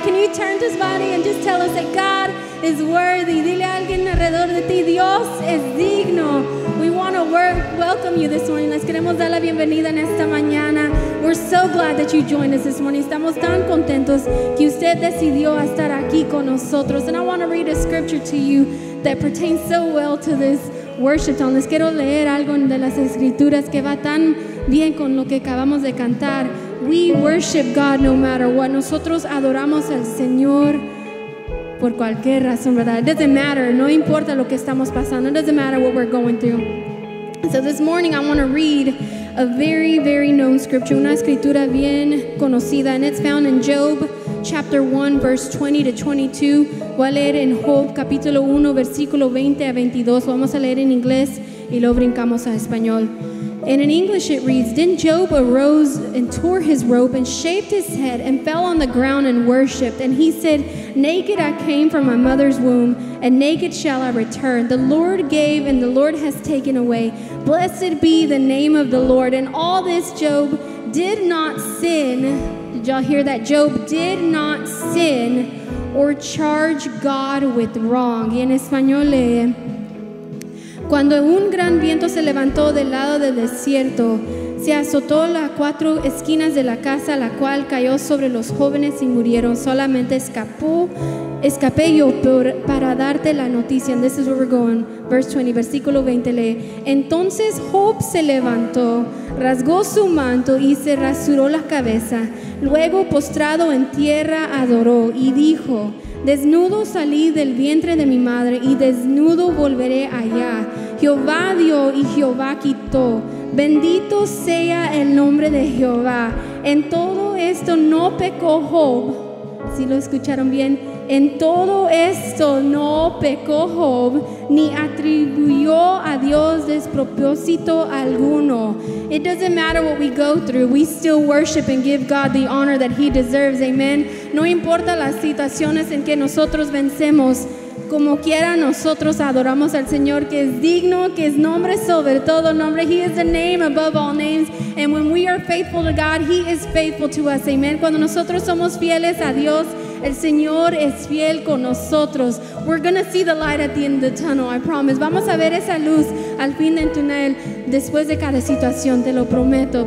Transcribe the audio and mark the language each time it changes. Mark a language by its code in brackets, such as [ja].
[en] Can you turn to somebody and just tell us that God is worthy? [es] Dile a alguien alrededor de ti, Dios es digno. [en] We want to welcome you this morning. [es] Les queremos dar la bienvenida en esta mañana. [en] We're so glad that you joined us this morning. [es] Estamos tan contentos que usted decidió estar aquí con nosotros. [en] And I want to read a scripture to you that pertains so well to this worship song. [es] Les quiero leer algo de las escrituras que va tan bien con lo que acabamos de cantar. [en] We worship God no matter what. [es] Nosotros adoramos al Señor por cualquier razón, verdad? [en] It doesn't matter. [es] No importa lo que estamos pasando. [en] It doesn't matter what we're going through. So this morning I want to read a very, very known scripture. [es] Una escritura bien conocida. [en] And it's found in Job chapter 1, verse 20 to 22. [es] Voy a leer en Job capítulo 1, versículo 20 a 22. Vamos a leer en inglés y lo brincamos a español. [en] And in English it reads, "Then Job arose and tore his robe and shaved his head and fell on the ground and worshipped. And he said, 'Naked I came from my mother's womb, and naked shall I return. The Lord gave and the Lord has taken away. Blessed be the name of the Lord.' And all this Job did not sin." Did y'all hear that? Job did not sin or charge God with wrong. [es] Y en español lee, "Cuando un gran viento se levantó del lado del desierto, se azotó las cuatro esquinas de la casa, la cual cayó sobre los jóvenes y murieron. Solamente escapé yo para darte la noticia." [en] And this is where we're going. Verse 20, [es] versículo 20 lee, "Entonces Job se levantó, rasgó su manto y se rasuró la cabeza. Luego, postrado en tierra, adoró y dijo, 'Desnudo salí del vientre de mi madre y desnudo volveré allá. Jehová dio y Jehová quitó. Bendito sea el nombre de Jehová.' En todo esto no pecó Job." ¿Sí lo escucharon bien? "En todo esto no pecó Job, ni atribuyó a Dios despropósito alguno." [en] It doesn't matter what we go through, we still worship and give God the honor that he deserves. Amen. [es] No importa las situaciones en que nosotros vencemos, como quiera nosotros adoramos al Señor, que es digno, que es nombre sobre todo nombre. [en] He is the name above all names. And when we are faithful to God, he is faithful to us. Amen. [es] Cuando nosotros somos fieles a Dios, el Señor es fiel con nosotros. [en] We're going to see the light at the end of the tunnel, I promise. [es] Vamos a ver esa luz al fin del túnel después de cada situación, te lo prometo.